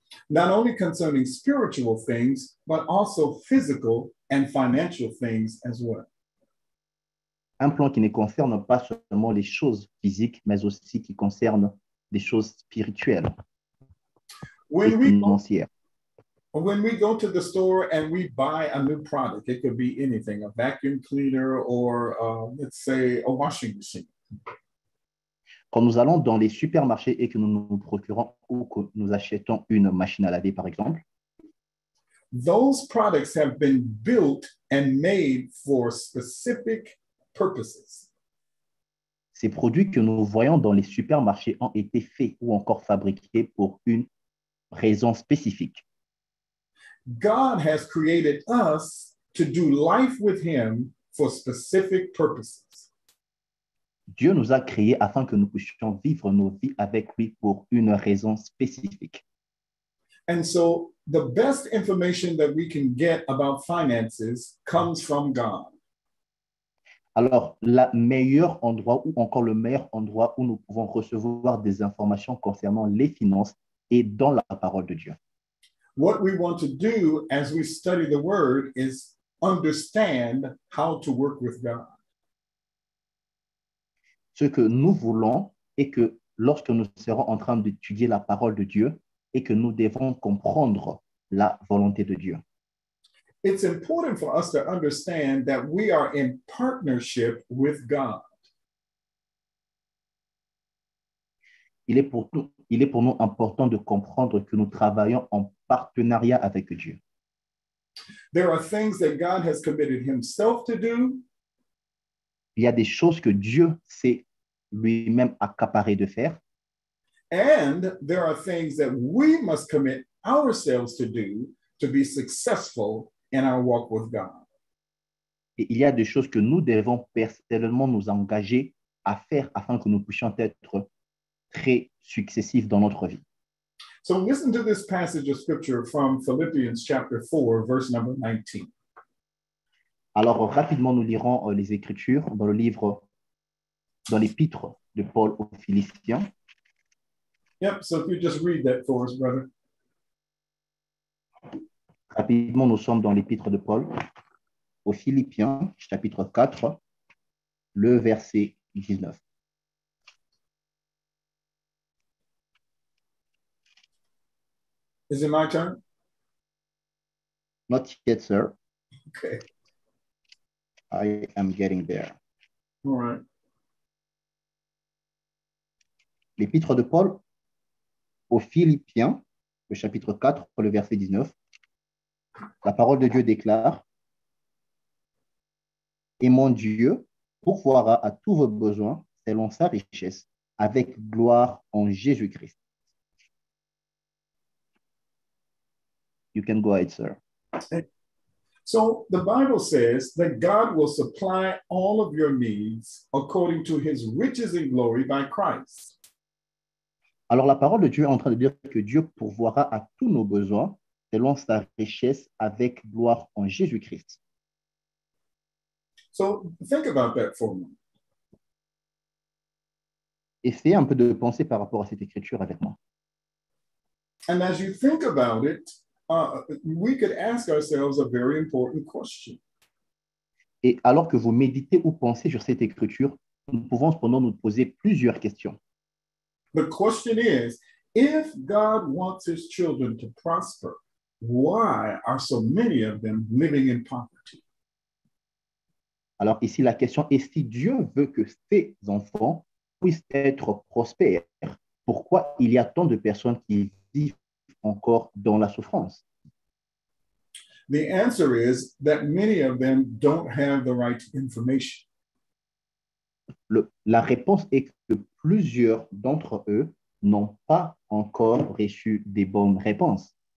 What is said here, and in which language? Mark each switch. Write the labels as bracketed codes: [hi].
[en] Not only concerning spiritual things, but also physical and financial things as well. [fr] Un plan qui ne concerne pas seulement les choses physiques, mais aussi qui concerne des choses spirituelles et financières. [en] When we go to the store and we buy a new product, it could be anything, a vacuum cleaner or, let's say, a washing machine. [fr] Quand nous allons dans les supermarchés et que nous nous procurons ou que nous achetons une machine à laver, par exemple, [en] those products have been built and made for specific purposes. [fr] Ces produits que nous voyons dans les supermarchés ont été faits ou encore fabriqués pour une raison spécifique. [en] God has created us to do life with him for specific purposes. [fr] Dieu nous a créés afin que nous puissions vivre nos vies avec lui pour une raison spécifique. [en] And so the best information that we can get about finances comes from God. [fr] Alors, le meilleur endroit ou encore le meilleur endroit où nous pouvons recevoir des informations concernant les finances est dans la parole de Dieu. [en] What we want to do as we study the word is understand how to work with God. [fr] Ce que nous voulons est que lorsque nous serons en train d'étudier la parole de Dieu et que nous devons comprendre la volonté de Dieu. [en] It's important for us to understand that we are in partnership with God. [fr] Il est pour nous important de comprendre que nous travaillons en partenariat avec Dieu. [en] There are things that God has committed himself to do. [fr] Il y a des choses que Dieu s'est lui-même accaparé de faire. [en] And there are things that we must commit ourselves to do to be successful in our walk with God. [fr] Et il y a des choses que nous devons personnellement nous engager à faire afin que nous puissions être très successifs dans notre vie. [en] So listen to this passage of scripture from Philippians chapter 4, verse number 19. [fr] Alors rapidement, nous lirons les Écritures dans le livre, dans l'épître de Paul aux Philippiens. [en] Yep, so if you just read that for us, brother. [fr] Rapidement, nous sommes dans l'épître de Paul aux Philippiens, chapitre 4, le verset 19. [en] Is it my turn? Not yet, sir. Okay. I am getting there. All right. [fr] L'épître de Paul aux Philippiens, le chapitre 4, le verset 19. La parole de Dieu déclare: Et mon Dieu pourvoira à tous vos besoins selon sa richesse avec gloire en Jésus-Christ. [en] You can go ahead, sir. So the Bible says that God will supply all of your needs according to his riches in glory by Christ. [fr] Alors la parole de Dieu est en train de dire que Dieu pourvoira à tous nos besoins selon sa richesse avec gloire en Jésus-Christ. [en] So think about that for a moment. [fr] Essayez un peu de penser par rapport à cette écriture avec moi. [en] And as you think about it, We could ask ourselves a very important question. [fr] Et alors que vous méditez ou pensez sur cette écriture, nous pouvons cependant nous poser plusieurs questions. [en] The question is, if God wants his children to prosper, why are so many of them living in poverty? [fr] Alors ici, la question est, si Dieu veut que ses enfants puissent être prospères, pourquoi il y a tant de personnes qui vivent encore dans la souffrance? [en] The answer is that many of them don't have the right information. [fr] La réponse est que plusieurs d'entre eux n'ont pas encore reçu des bonnes réponses.